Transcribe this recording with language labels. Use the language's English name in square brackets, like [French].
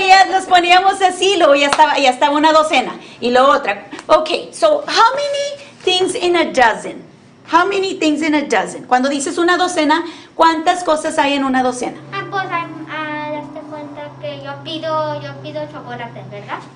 [Spanish] Los poníamos así, luego ya estaba una docena. Y luego otra. [English] Okay, so how many things in a dozen? How many things in a dozen? [Spanish] Cuando dices una docena, ¿cuántas cosas hay en una docena? Ah, pues, hazte cuenta que yo pido chocolates, ¿verdad?